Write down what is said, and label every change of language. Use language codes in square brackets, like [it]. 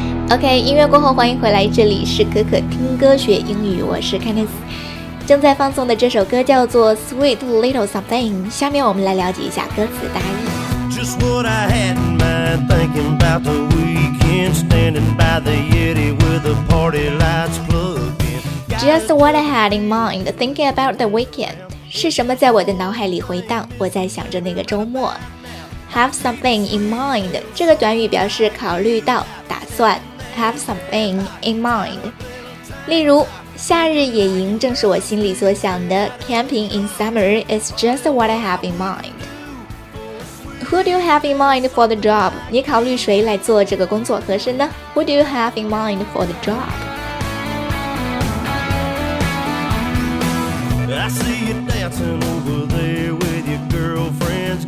[zh] OK， 音乐过后欢迎回来，这里是可可听歌学英语，我是 Kenneth。正在放送的这首歌叫做 Sweet Little Something， 下面我们来了解一下歌词大意。 [en] Just what I had in mind, thinking about the weekend, standing by the Yeti with the party lights plugged in. Just what I had in mind, thinking about the weekend. [zh] 是什么在我的脑海里回荡，我在想着那个周末。 [en] Have something in mind， [zh] 这个短语表示考虑到，打算。 [en] Have something in mind. [zh] 例如，夏日野营正是我心里所想的。 [en] Camping in summer is just what I have in mind. Who do you have in mind for the job? [zh] 你考虑谁来做这个工作合适呢？ [en] Who do you have in mind for the job? I see you dancing over there with your girlfriends.